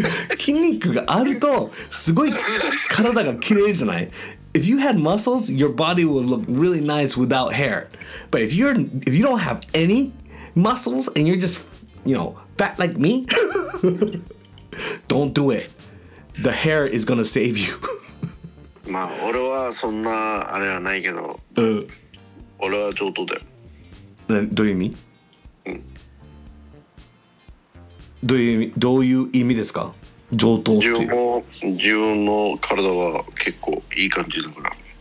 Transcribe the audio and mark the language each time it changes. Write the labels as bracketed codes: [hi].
[ja] 筋肉があるとすごい体が綺麗じゃない。 [en] If you had muscles, your body would look really nice without hair. But if you don't have any muscles and you're just, you know, fat like me, don't do it. The hair is gonna save you. [ja] まあ俺はそんなあれはないけど、俺は上等だよ。どういう意味？どういう意味？どういう意味ですか？上等っていう。自分の体は結構いい感じだから。